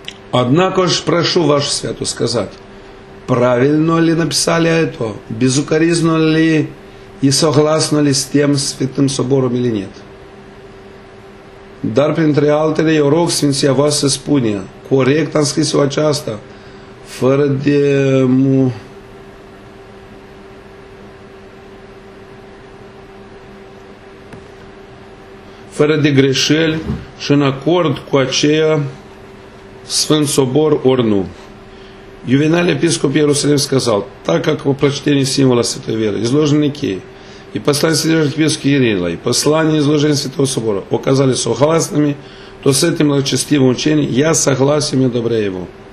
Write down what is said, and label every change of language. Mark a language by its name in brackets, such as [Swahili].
[Russian] Однакож прошу вашу святу сказать, правильно ли написали это, безукоризно ли и согласно ли с тем Святым Собором или нет? [Romanian] Dar printre altele, eu rog Sfinția voastră să spune, corect am scris-o aceasta, fără de... fără de greșeli și în acord cu aceea Sfânt Sobor ori nu. [Russian] Juvenal Episcop Ierusalim сказал, так как по прочтении символа Святой Веры, изложенный Никеей, и послание Святого Архиепископа Кирилла, и послание изложения Святого Собора, показали согласными, то с этим благочестивым учением я согласен и одобряю его.